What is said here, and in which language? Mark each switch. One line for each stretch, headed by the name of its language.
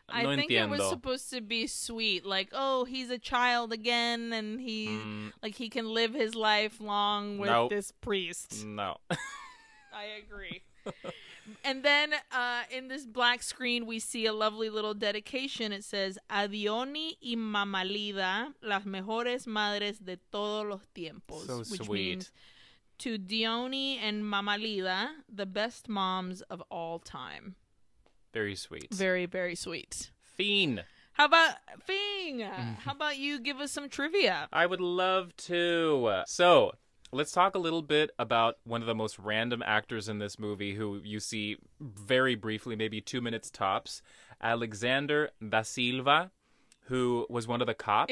English: No, I think
Spanish: entiendo.
English: It was supposed to be sweet. Like, oh, he's a child again, and he, like, he can live his life long with this priest. No. I agree. And then in this black screen, we see a lovely little dedication. It says,
Spanish: Adioni y Mamalida, las mejores madres de todos los tiempos.
English: So which sweet. Means, to Dioni and Mamalida, the best moms of all time. Very sweet. Very, very sweet. Fiend. How about Fiend? How about you give us some trivia? I would love to. So, let's talk a little bit about one of the most random actors in this movie who you see very briefly, maybe 2 minutes tops, Alexander Da Silva, who was one of the cops.